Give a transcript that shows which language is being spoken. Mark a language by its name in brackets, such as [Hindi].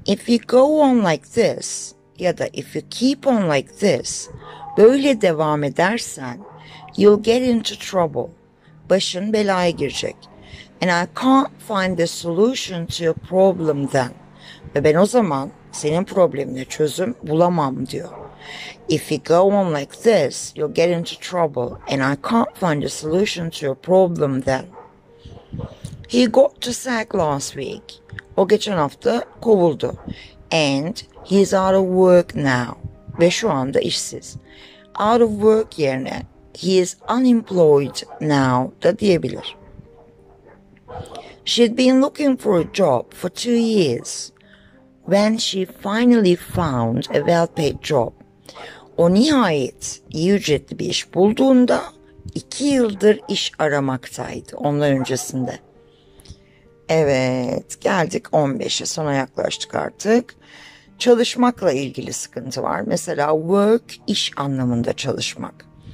[English] If you go on like this [Turkish] ya da [English] if you keep on like this, [Turkish] böyle devam edersen [English] you'll get into trouble. [Turkish] Başın belaya girecek. [English] And I can't find the solution to your problem then. [Turkish] Ve ben o zaman senin problemine çözüm bulamam diyor. [English] If you go on like this, you'll get into trouble and I can't find a solution to your problem then. He got the sack last week. [Turkish] O geçen hafta kovuldu. [English] And he's out of work now. [Turkish] Ve şu anda işsiz. [English] Out of work [Turkish] yerine [English] he is unemployed now [Turkish] da diyebilir. [English] She'd been looking for a job for 2 years. When she finally found a well-paid job. [Turkish] O nihayet iyi ücretli bir iş bulduğunda 2 yıldır iş aramaktaydı ondan öncesinde. Evet, geldik 15'e, sona yaklaştık artık. Çalışmakla ilgili sıkıntı var. Mesela work, iş anlamında çalışmak.